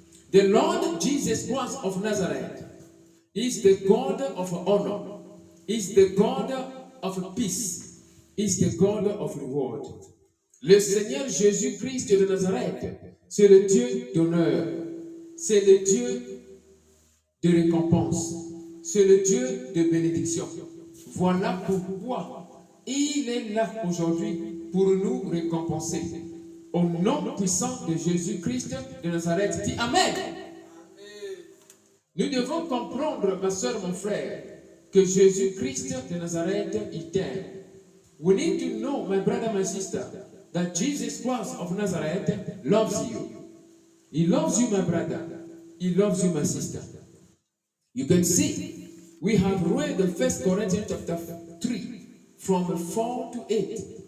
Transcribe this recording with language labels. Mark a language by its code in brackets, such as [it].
[en] The Lord Jesus Christ of Nazareth is the God of honor, is the God of peace, is the God of reward. [fr] Le Seigneur Jésus-Christ de Nazareth, c'est le Dieu d'honneur. C'est le Dieu de récompense. C'est le Dieu de bénédiction. Voilà pourquoi Il est là aujourd'hui pour nous récompenser. Au nom puissant de Jésus-Christ de Nazareth, dit Amen. Nous devons comprendre, ma soeur, mon frère, que Jésus-Christ de Nazareth est terre. [en] We need to know, my brother, my sister, that Jesus Christ of Nazareth loves you. He loves you, my brother. He loves you, my sister. You can see, we have read the 1 Corinthians chapter 3, from 4 to 8.